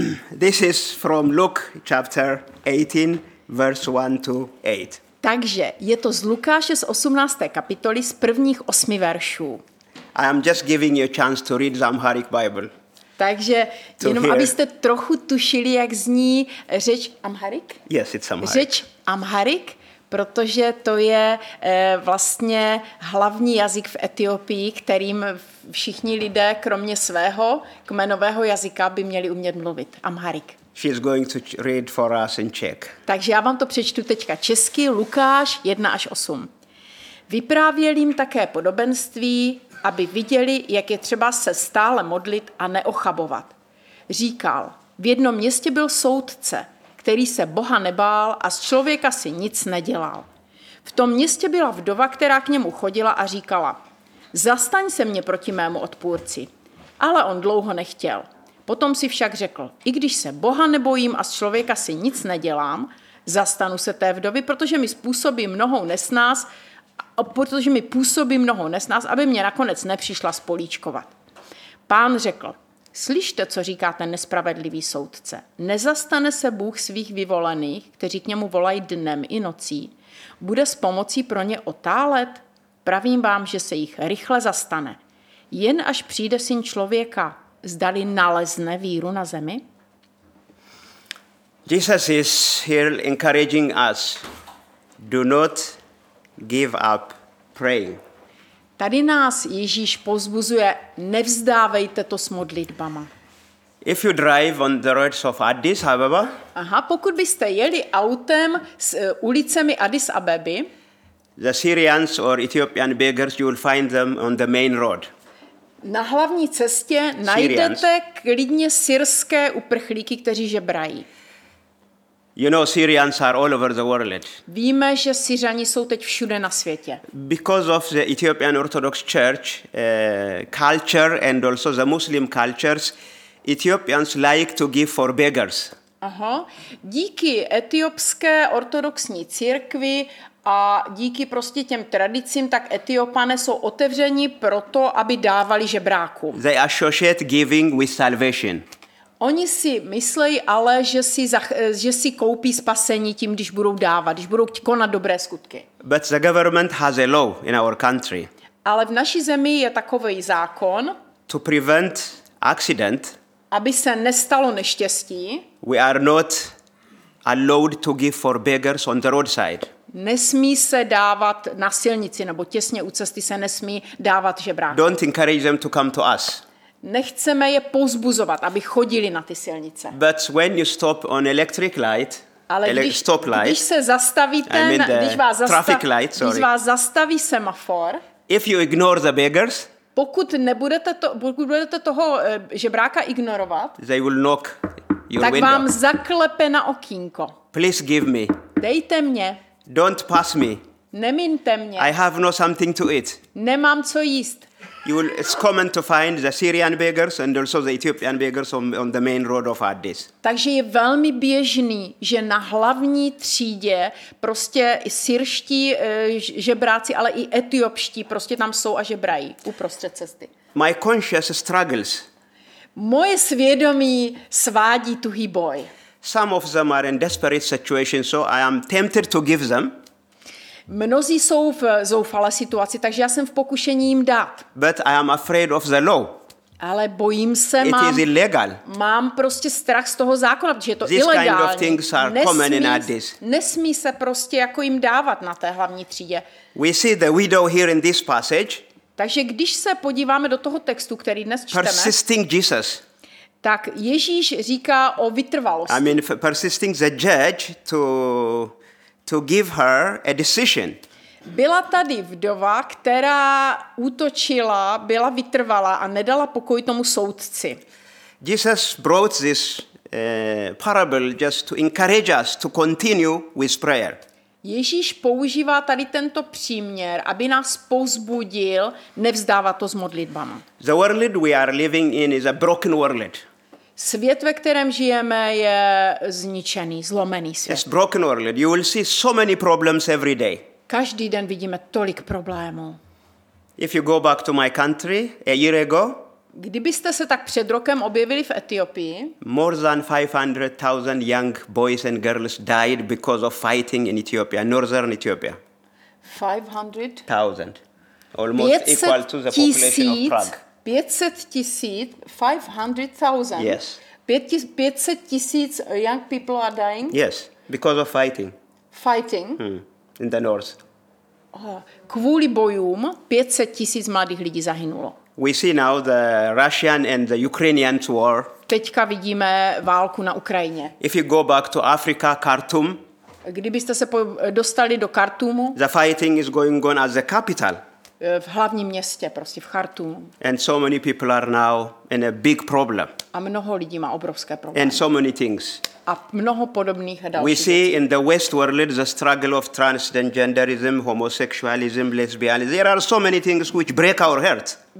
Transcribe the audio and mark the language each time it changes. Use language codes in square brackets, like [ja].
[en] This is from Luke chapter 18 verse 1 to 8. [cs] Takže je to z Lukáše z 18. kapitoly z prvních 8 veršů. [en] I am just giving you a chance to read Amharic Bible. [cs] Takže jenom abyste trochu tušili, jak zní řeč Amharic. [en] Yes, it's Amharic. [cs] Řeč Amharic, protože to je vlastně hlavní jazyk v Etiopii, kterým všichni lidé kromě svého kmenového jazyka by měli umět mluvit. [en] Amharic. She's going to read for us in Czech. [cs] Takže já vám to přečtu teďka česky, Lukáš 1 až 8. Vyprávěl jim také podobenství, aby viděli, jak je třeba se stále modlit a neochabovat. Říkal, v jednom městě byl soudce, který se Boha nebál a z člověka si nic nedělal. V tom městě byla vdova, která k němu chodila a říkala, zastaň se mě proti mému odpůrci. Ale on dlouho nechtěl. Potom si však řekl, i když se Boha nebojím a z člověka si nic nedělám, zastanu se té vdovy, protože mi způsobí mnohou nesnás, protože mi působí mnoho nesnás, aby mě nakonec nepřišla spolíčkovat. Pán řekl, slyšte, co říká ten nespravedlivý soudce. Nezastane se Bůh svých vyvolených, kteří k němu volají dnem i nocí, bude s pomocí pro ně otálet? Pravím vám, že se jich rychle zastane. Jen až přijde syn člověka, zdali nalezne víru na zemi? [en] Jesus is here encouraging us. Do not give up praying. [cs] Tady nás Ježíš pozbuzuje, nevzdávejte to s modlitbama. [en] If you drive on the roads of Addis Ababa. [cs] Aha, pokud byste jeli autem s ulicemi Addis Abeby. [en] The Syrians or Ethiopian beggars, you will find them on the main road. [cs] Na hlavní cestě Syrians. Najdete klidně syrské uprchlíky, kteří žebrají. [en] You know, Syrians are all over the world. [cs] Víme, že Syřani jsou teď všude na světě. [en] Because of the Ethiopian Orthodox Church culture and also the Muslim cultures, Ethiopians like to give for beggars. [cs] Aha. Díky etiopské ortodoxní církvi a díky prostě těm tradicím, tak Etiopané jsou otevřeni pro to, aby dávali žebrákům. [en] They associate giving with salvation. [cs] Oni si myslejí ale, že si koupí spasení tím, když budou dávat, když budou konat dobré skutky. [en] But the government has a law in our country. [cs] Ale v naší zemi je takový zákon. [en] To prevent accident. [cs] Aby se nestalo neštěstí. [en] We are not allowed to give for beggars on the roadside. [cs] Nesmí se dávat na silnici nebo těsně u cesty se nesmí dávat žebrákům. [en] Don't encourage them to come to us. [cs] Nechceme je pouzbuzovat, aby chodili na ty silnice. [en] But when you stop on electric light, [cs] ale když se zastavíte, když vás zastaví semafor, [en] if you ignore the beggars, [cs] pokud budete toho žebráka ignorovat, [en] they will knock your [cs] tak [en] window. [cs] Vám zaklepe na okýnko. [en] Please give me. [cs] Dejte mě. [en] Don't pass me. [cs] Nemiňte mě. [en] I have no something to eat. [cs] Nemám co jíst. [en] It's common to find the Syrian beggars and also the Ethiopian beggars on the main road of Addis. [cs] Takže je velmi běžný, že na hlavní třídě prostě syrští žebráci, ale i etiopští prostě tam jsou a žebrají uprostřed cesty. [en] My conscience struggles. [cs] Moje svědomí svádí tuhý boj. [en] Some of them are in desperate situations, so I am tempted to give them. [cs] Mnozí jsou v zoufalé situaci, takže já jsem v pokušení jim dát. [en] But I am afraid of the law. [cs] Ale bojím se, mám prostě strach z toho zákona, protože je to ilegální. [en] Kind of things are common in Addis. [cs] Nesmí se prostě jako jim dávat na té hlavní třídě. [en] We see the widow here in this passage. [cs] Takže když se podíváme do toho textu, který dnes čteme, [en] persisting Jesus. [cs] Tak Ježíš říká o vytrvalosti. [en] I mean, persisting the judge to give her a decision. [cs] Byla tady vdova, která útočila, byla vytrvalá a nedala pokoj tomu soudci. [en] Jesus brought this parable just to encourage us to continue with prayer. [cs] Ježíš používá tady tento příměr, aby nás povzbudil nevzdávat to s modlitbama. [en] The world we are living in is a broken world. [cs] Svět, ve kterém žijeme, je zničený, zlomený svět. [en] It's broken world. You will see so many problems every day. [cs] Každý den vidíme tolik problémů. [en] If you go back to my country a year ago, [cs] kdybyste se tak před rokem objevili v Etiopii, [en] more than 500,000 young boys and girls died because of fighting in Ethiopia, northern Ethiopia. 500,000. Almost equal to the population of Prague. 500,000, 500,000. Yes. 500,000 young people are dying. Yes, because of fighting. Fighting. In the north. [cs] Kvůli bojům 500,000 mladých lidí zahynulo. [en] We see now the Russian and the Ukrainian war. [cs] Teďka vidíme válku na Ukrajině. [en] If you go back to Africa, Khartoum. [cs] Kdybyste se dostali do Khartoumu. [en] The fighting is going on at the capital. [cs] V hlavním městě, prostě v Khartoumu. [en] And so many people are now in a big problem. [cs] A mnoho lidí má obrovské problémy. [en] And so many things. [cs] A mnoho podobných dalších. [en] We see in the West world the struggle of transgenderism, homosexualism, lesbianism. There are so many things which break our heart.